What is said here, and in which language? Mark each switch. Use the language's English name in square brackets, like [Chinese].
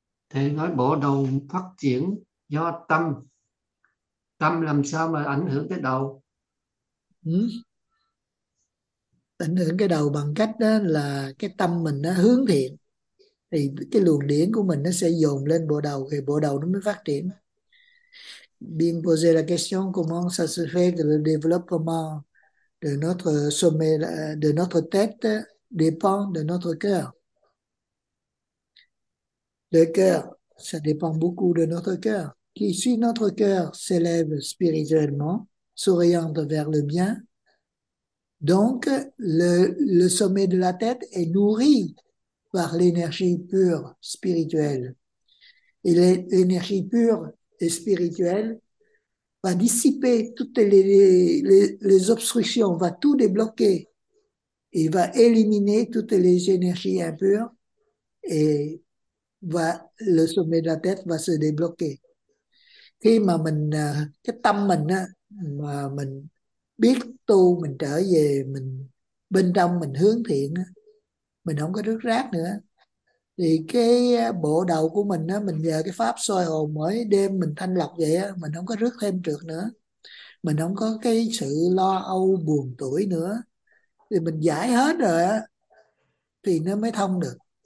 [Vietnamese] Thầy nói bộ đầu phát triển do tâm. Tâm làm sao mà ảnh hưởng tới đầu? Ảnh hưởng cái đầu bằng cách đó là cái tâm mình nó hướng thiện thì cái luồng điển của mình nó sẽ dồn lên bộ đầu thì bộ đầu nó mới phát triển. [French] Bien poser la question, comment ça se fait que le développement de notre sommet, de notre tête dépend de notre cœur. Le cœur, ça dépend beaucoup de notre cœur. Qui suit notre cœur s'élève spirituellement, s'oriente vers le bien. Donc, le sommet de la tête est nourri par l'énergie pure spirituelle. Et l'énergie pure et spirituelle va dissiper toutes les obstructions, va tout débloquer et va éliminer toutes les énergies impures et le sommet de la tête va se débloquer. [Vietnamese] Khi mà mình, cái tâm mình á, mà mình biết tu, mình trở về, mình bên trong mình hướng thiện á, mình không có rước rác nữa thì cái bộ đầu của mình á, mình nhờ cái pháp soi hồn mỗi đêm mình thanh lọc vậy á, mình không có rước thêm trượt nữa, mình không có cái sự lo âu buồn tuổi nữa thì mình giải hết rồi á thì nó mới thông được.